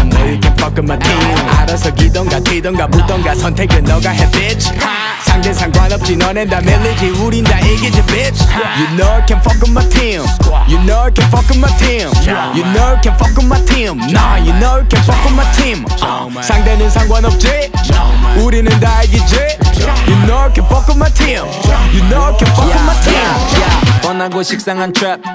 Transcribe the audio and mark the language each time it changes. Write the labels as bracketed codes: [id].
[en] No, you can't fuck with my team. [ko] 알아서 기던가 튀던가 붙던가 선택은 너가 해, [en] bitch. [ko] 상대 상관없지 너넨 다 밀리지 우린 다 이기지 bitch. [en] You know I can't fuck with my team. You know I can't fuck with my team. You know I can't fuck with my team. Nah, you know I can't fuck with my team. [ko] 상대는 상관없지 우리는 다 이기지. [en] You know I can't fuck with my team. You know I can't fuck with my team. [ko] 뻔하고 식상한 [en] trap.